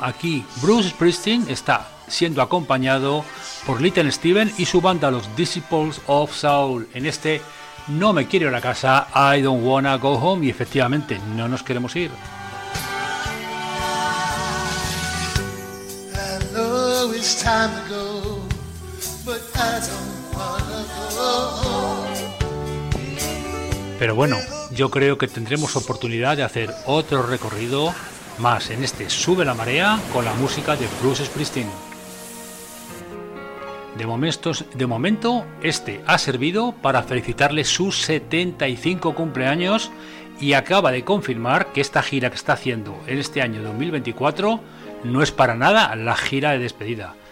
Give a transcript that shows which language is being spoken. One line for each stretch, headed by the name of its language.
Spanish: Aquí Bruce Springsteen está siendo acompañado por Little Steven y su banda Los Disciples of Soul en este No me quiero ir a casa,
English: I don't wanna go home,
Spanish: y efectivamente no nos queremos ir.
English: Hello, it's time to go, but I don't wanna go home.
Spanish: Pero bueno, yo creo que tendremos oportunidad de hacer otro recorrido más en este Sube la Marea con la música de Bruce Springsteen. De momento, este ha servido para felicitarle sus 75 cumpleaños y acaba de confirmar que esta gira que está haciendo en este año 2024 no es para nada la gira de despedida.